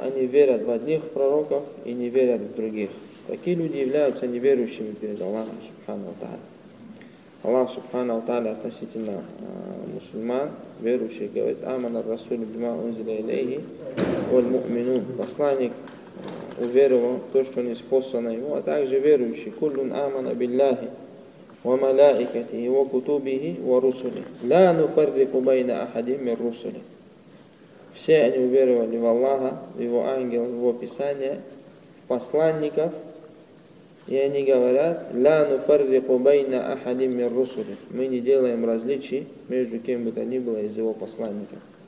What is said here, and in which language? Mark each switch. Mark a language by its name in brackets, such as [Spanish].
[Russian] Они верят в одних пророков и не верят в других. Такие люди являются неверующими перед Аллахом Субхану Аталя. Аллах Субхану Аталя относительно мусульман, верующих, говорит: [Arabic] «Аман ар-расуль бима унзиля илейхи, валь-му'минун». [Russian] Посланник уверовал то, что ниспослано ему, а также верующий: [Arabic] «Куллун амана билляхи». وملائكته وكتبه ورسله لا نفرق بين أحد من رسله. [Russian] Все они уверовали в Аллаха, в Его ангелов, в Его Писание, в посланников, и они говорят: [Arabic] لا نفرق بين أحد من رسله. [Russian] Мы не делаем различий между кем бы то ни было из Его посланников.